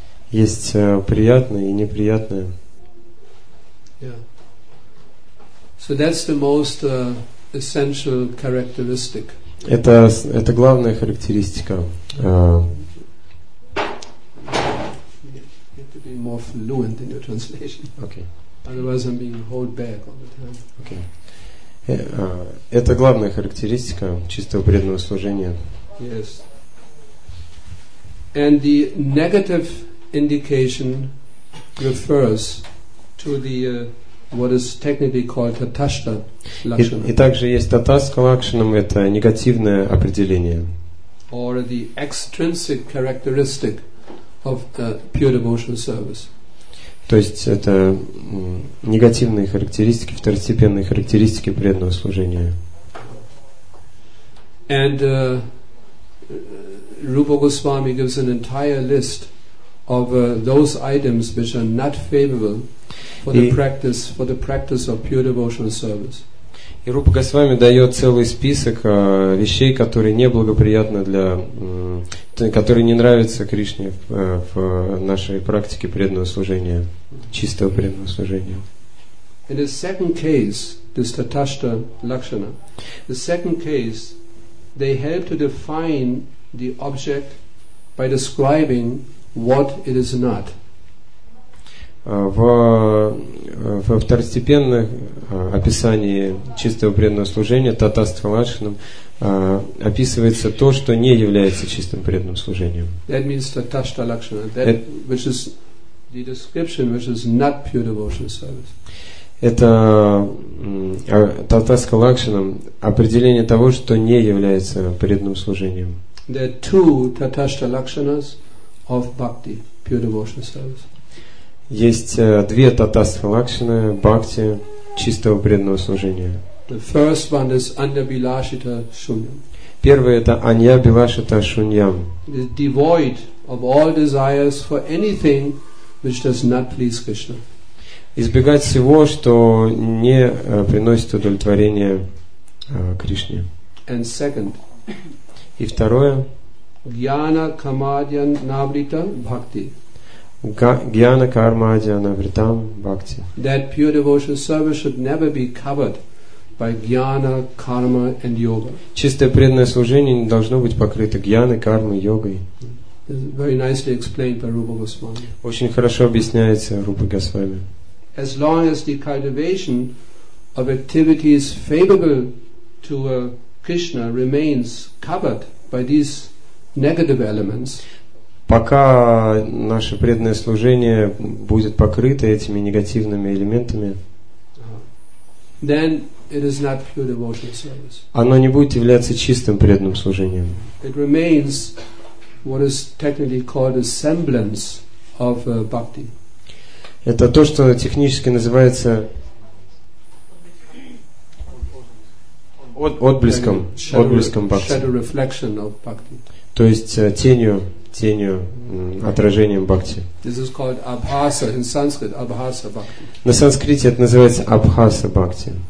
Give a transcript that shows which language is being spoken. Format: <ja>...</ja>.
<ru>Есть приятное и неприятное.</ru> <en>Yeah. So that's the most essential characteristic.</en> <ru>Это главная характеристика.</ru> <en>You have to be more fluent in your translation. Okay. Otherwise I'm being held back all the time. Okay.</en> <ru>Это главная характеристика чистого преданного служения.</ru> <en>Yes. And the negative indication refers to the what is technically called tathastha lakshana.</en> <ru>И также есть tathastha lakshana, это негативное определение.</ru> <en>Or the extrinsic characteristic of the pure devotional service.</en> <ru>То есть это негативные характеристики, второстепенные характеристики преданного служения.</ru> <en>And Rupa Goswami gives an entire list of those items which are not favorable for the practice of pure devotional service.</en> <ru>И Рупа Госвами дает целый список вещей, которые неблагоприятны для, которые не нравятся Кришне в нашей практике преданного служения, чистого преданного служения.</ru> <en>In the second case, this tathastha lakshana, the second case, they help to define the object by describing what it is not.</en> <ru>Во второстепенном описании чистого преданного служения tathastha lakshana описывается то, что не является чистым преданным служением.</ru> <en>That means tathastha lakshana, which is the description which is not pure devotional service.</en> <ru>Это tathastha lakshana определение того, что не является преданным служением.</ru> <en>There are two tathastha lakshanas of bhakti, pure devotional service.</en> <ru>Есть две tathastha lakshana бхакти, чистого преданного служения.</ru> <en>The first one is anyabhilashita shunyam.</en> <ru>Первое это anyabhilashita shunyam.</ru> <en>It is devoid of all desires for anything which does not please Krishna.</en> <ru>Избегать всего, что не приносит удовлетворения Кришне.</ru> <en>And second.</en> <ru>И второе.</ru> <sa>Jnana kamadyan navrita bhakti. Гьяна карма адьяна вритам бхакти.</sa> <en>That pure devotional service should never be covered by jnana, karma and yoga.</en> <ru>Чистое преданное служение не должно быть покрыто гьяной, кармой, йогой.</ru> <en>Very nicely explained by Rupa Goswami.</en> <ru>Очень хорошо объясняется Рупа Госвами.</ru> <en>As long as the cultivation of activities favorable to Krishna remains covered by these negative elements,</en> <ru>пока наше преданное служение будет покрыто этими негативными элементами,</ru> <en>then it is not pure devotional service.</en> <ru>Оно не будет являться чистым преданным служением.</ru> <en>It remains what is technically called a semblance of bhakti.</en> <ru>Это то, что технически называется отблеском, отблеском бхакти.</ru> <en>Shadow reflection of bhakti.</en> <ru>То есть тенью. Тенью, отражением бхакти.</ru> <en>This is called abhasa in Sanskrit, abhasa bhakti.</en> <ru>На санскрите это называется абхаса бхакти.</ru>